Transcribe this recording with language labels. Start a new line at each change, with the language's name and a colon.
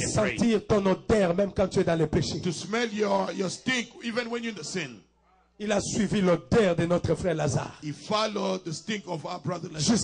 French: De sentir ton odeur même quand tu es dans le péché.
English: To smell your stink even when you're in the sin.
French: Il a suivi l'odeur de notre frère Lazare.
English: He followed the stink of our brother Lazarus.